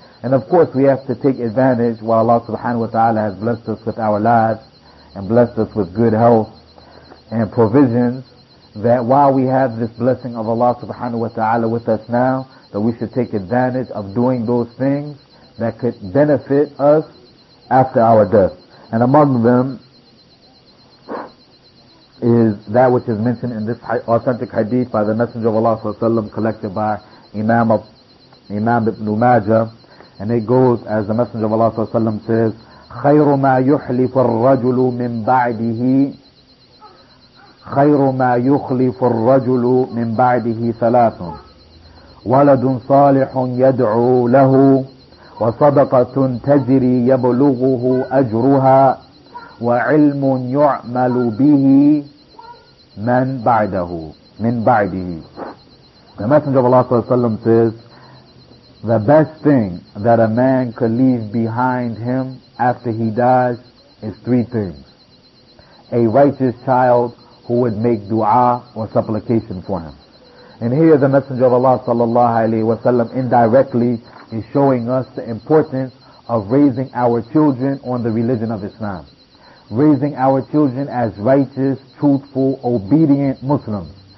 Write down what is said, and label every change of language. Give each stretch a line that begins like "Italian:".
English: And of course we have to take advantage while Allah subhanahu wa ta'ala has blessed us with our lives and blessed us with good health and provisions, that while we have this blessing of Allah subhanahu wa ta'ala with us now, that we should take advantage of doing those things that could benefit us after our death. And among them, is that which is mentioned in this authentic hadith by the Messenger of Allah ﷺ, collected by Imam Ibn Majah, and it goes as the Messenger of Allah ﷺ says,
Arabic: خَيْرُ مَا يُحْلِفُ الرَّجُلُ مِنْ بَعْدِهِ خَيْرُ مَا يُخْلِفُ الرَّجُلُ مِنْ بَعْدِهِ ثَلَاثٌ وَلَدٌ صَالِحٌ يَدْعُو لَهُ وَصَدَقَةٌ تَجْرِي يَبْلُغُهُ أَجْرُهَا وَعِلْمٌ يُعْمَلُ بِهِ مَنْ بَعْدَهُ مِنْ بَعْدِهِ.
English: The Messenger of Allah says, the best thing that a man could leave behind him after he dies is three things: a righteous child who would make dua or supplication for him. And here the Messenger of Allah sallallahu alayhi wa sallam indirectly is showing us the importance of raising our children on the religion of Islam, raising our children as righteous, truthful, obedient Muslims.